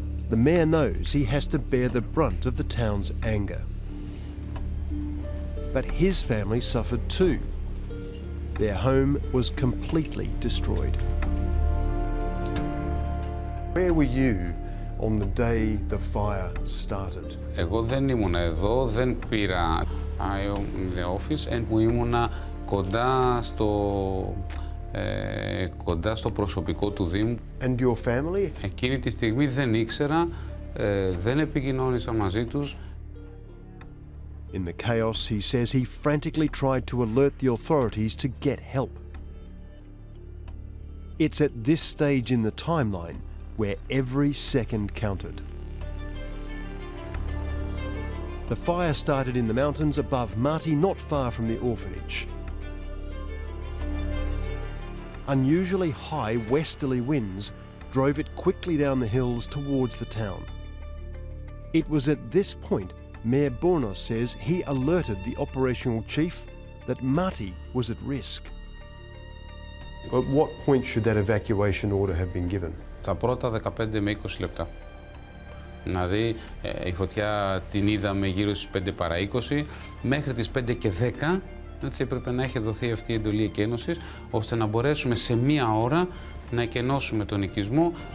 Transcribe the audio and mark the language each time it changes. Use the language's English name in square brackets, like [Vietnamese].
[English] The mayor knows he has to bear the brunt of the town's anger. But his family suffered too. Their home was completely destroyed. Where were you on the day the fire started? [Greek] Εγώ δεν ήμουν εδώ, δεν πήρα. [English] I was in the office and we [Greek] ήμουνα κοντά στο προσωπικό του Δήμου. [English] And your family? [Greek] Εκείνη τη στιγμή δεν ήξερα, δεν επικοινώνησα μαζί τους. [English] In the chaos, he says he frantically tried to alert the authorities to get help. It's at this stage in the timeline where every second counted. The fire started in the mountains above Mutti, not far from the orphanage. Unusually high westerly winds drove it quickly down the hills towards the town. It was at this point Mayor Bornos says he alerted the operational chief that Marty was at risk. At what point should that evacuation order have been given? [Greek] Τα πρώτα 15 με 20 λεπτά. Δηλαδή, η φωτιά την είδαμε γύρω στις 5 παρά 20, μέχρι τις 5 και 10, έτσι έπρεπε να έχει δοθεί αυτή η εντολή εκένωσης, ώστε να μπορέσουμε σε μία ώρα να εκενώσουμε τον οικισμό.